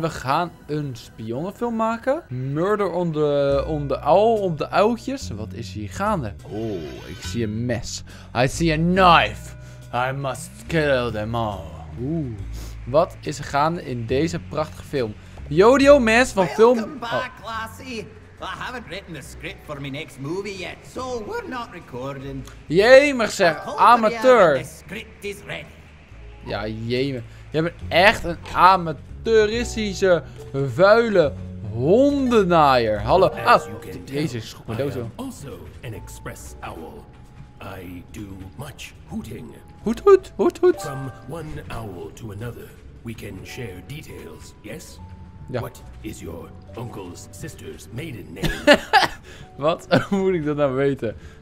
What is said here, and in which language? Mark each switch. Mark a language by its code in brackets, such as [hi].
[nl] We gaan een spionnenfilm maken. [en] Murder on the [nl] oudjes. Wat is hier gaande? Oh, ik zie een mes. [en] I see a knife. I must kill them all. Oeh. [nl] Wat is er gaande in deze prachtige film? Yodio mes van film... [en] I haven't written the script for my next movie yet, so we're not recording. [nl] Jemig zeg, amateur. [en] The script is ready. [nl] Ja, jemig. Je bent echt een amateuristische, vuile hondennaaier. Hallo. Jezus, schrok me dood zo. [en] I'm also an express owl. I do much hooting. Hoot, hoot, hoot, hoot. From one owl to another, we can share details, yes? [nl] Ja. [en] What is your uncle's sister's maiden name? [nl] Wat moet ik dat nou weten?